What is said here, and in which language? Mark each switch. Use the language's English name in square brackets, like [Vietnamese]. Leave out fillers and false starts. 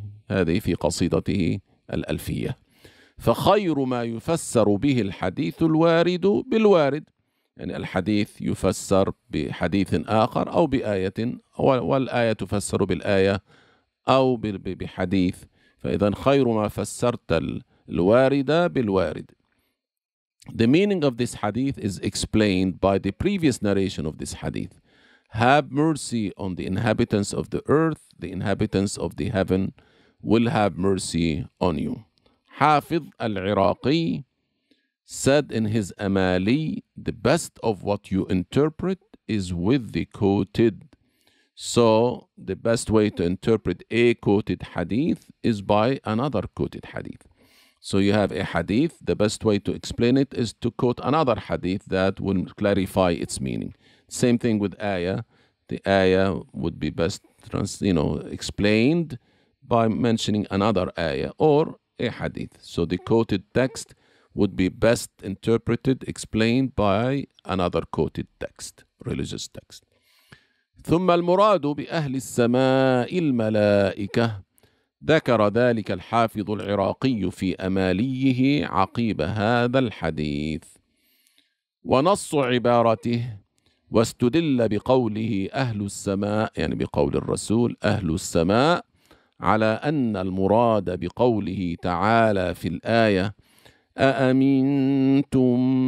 [Arabic] هذه في قصيدته الألفية فخير ما يفسر به الحديث الوارد بالوارد يعني الحديث يفسر بحديث آخر أو بآية والآية تفسر بالآية أو بحديث فإذا خير ما فسرت الوارد بالوارد [English] The meaning of this hadith [Arabic] is explained by the previous narration of this hadith. [English] Have mercy on the inhabitants of the earth, the inhabitants of the heaven will have mercy on you. حافظ العراقي said in his Amali, the best of what you interpret is with the quoted. So the best way to interpret a quoted hadith is by another quoted hadith. So you have a hadith, the best way to explain it is to quote another hadith that will clarify its meaning. Same thing with ayah. The ayah would be best explained by mentioning another ayah or a hadith. So the quoted text would be best interpreted, explained by another quoted text, religious text. [Arabic] ثم المراد بأهل السماء الملائكة ذكر ذلك الحافظ العراقي في أماليه عقيب هذا الحديث ونص عبارته واستدل بقوله أهل السماء يعني بقول الرسول أهل السماء على أن المراد بقوله تعالى في الآية أأمنتم